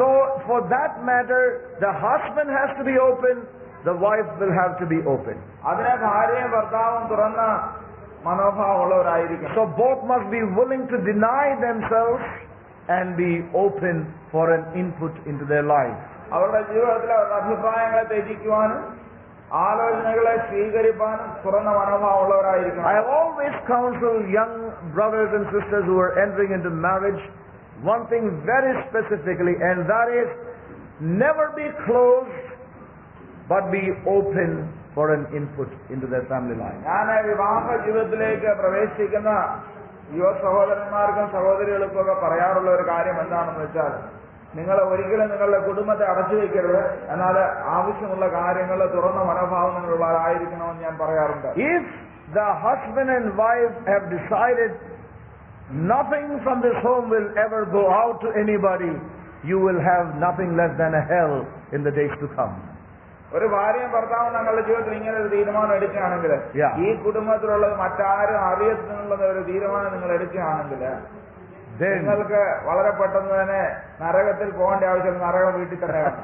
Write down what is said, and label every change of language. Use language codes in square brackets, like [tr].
[en] So for that matter, the husband has to be open, the wife will have to be open. [ml] അതിനെ ഭാര്യയും ഭർത്താവും തുറന്ന മനോഭാവമുള്ളവരായിരിക്കും. [en] So both must be willing to deny themselves and be open for an input into their life. [ml] അവരുടെ ജീവിതത്തിൽ അവരുടെ അഭിപ്രായങ്ങളെ ത്യജിക്കുവാനും ആലോചനകളെ സ്വീകരിപ്പാൻ തുറന്ന മനോഭാവമുള്ളവരായിരിക്കും. [en] I have always counseled young brothers and sisters who are entering into marriage one thing very specifically, and that is never be closed but be open for an input into their family life. [ml] ഞാൻ വിവാഹ ജീവിതത്തിലേക്ക് പ്രവേശിക്കുന്ന യുവ സഹോദരന്മാർക്കും സഹോദരികൾക്കൊക്കെ പറയാറുള്ള ഒരു കാര്യം എന്താണെന്ന് വെച്ചാൽ നിങ്ങൾ ഒരിക്കലും നിങ്ങളുടെ കുടുംബത്തെ അടച്ചു വയ്ക്കരുത്. എന്നാൽ ആവശ്യമുള്ള കാര്യങ്ങൾ തുറന്ന മനോഭാവം നിങ്ങളുള്ളവരായിരിക്കണമെന്ന് ഞാൻ പറയാറുണ്ട്. [en] If the husband and wife have decided nothing from this home will ever go out to anybody, you will have nothing less than a hell in the days to come. [ml] ഒരു ഭാര്യയും ഭർത്താവും തങ്ങളുടെ ജീവിതത്തിൽ ഇങ്ങനെ ഒരു തീരുമാനം എടുക്കുകയാണെങ്കിൽ, ഈ കുടുംബത്തിലുള്ളത് മറ്റാരും അറിയത്തിനുള്ള ഒരു തീരുമാനം നിങ്ങൾ എടുക്കുകയാണെങ്കിൽ, നിങ്ങൾക്ക് വളരെ പെട്ടെന്ന് തന്നെ നരകത്തിൽ പോകേണ്ട ആവശ്യം, നരകം വീട്ടിൽ തന്നെ.